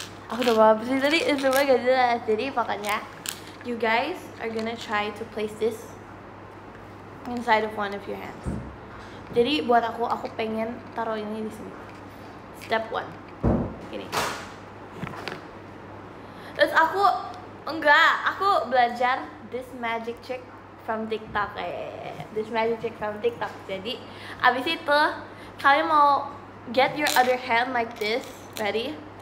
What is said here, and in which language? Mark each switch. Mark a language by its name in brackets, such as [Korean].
[Indonesian] Aku udah bawa sih tadi, semua gak jelas. Jadi pokoknya [English] you guys are gonna try to place this inside of one of your hands. [Indonesian] Jadi buat aku pengen taruh ini di sini. [English] Step one. [Indonesian] Gini. Terus aku enggak, aku belajar [English] this magic trick from TikTok. This magic trick from TikTok. [Indonesian] Jadi abis itu kalian mau [English] get your other hand like this, ready?